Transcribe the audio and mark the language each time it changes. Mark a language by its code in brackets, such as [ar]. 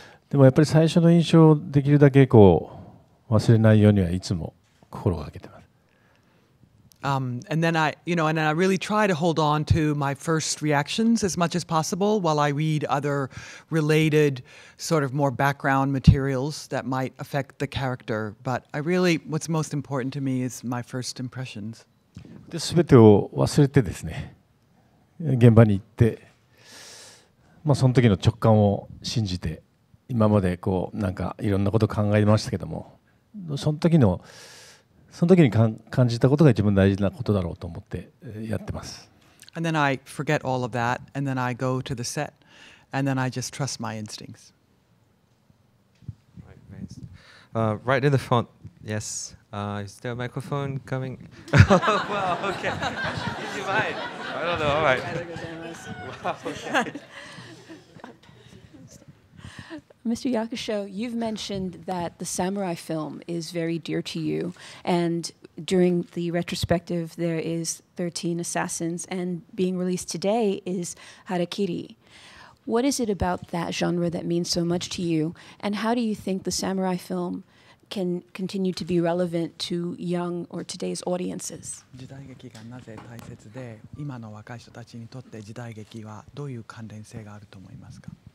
[ja] でもやっぱり最初の印象をできるだけこう忘れないようにはいつも心がけてます。 [en] And then I, you know, and then I really try to hold on to my first reactions as much as possible while I read other related sort of more background materials that might affect the character. But I really, what's most important to me is my first impressions. で、全てを忘れてですね、現場に行って、まあ、その時の直感を信じて、今までこうなんかいろんなことを考えましたけども、その時に感じたことが一番大事なことだろうと思ってやってます。 And then I forget all of that, and then I go to the set, and then I just trust my instincts. Right in the front, yes. Is there a microphone coming? Wow, okay. Did you mind? I don't know, all right. Mr. Yakusho, you've mentioned that the samurai film is very dear to you, and during the retrospective there is 13 Assassins, and being released today is Harakiri. What is it about that genre that means so much to you, and how do you think the samurai film can continue to be relevant to young or today's audiences? [ja] 時代劇がなぜ大切で、今の若い人たちにとって時代劇はどういう関連性があると思いますか？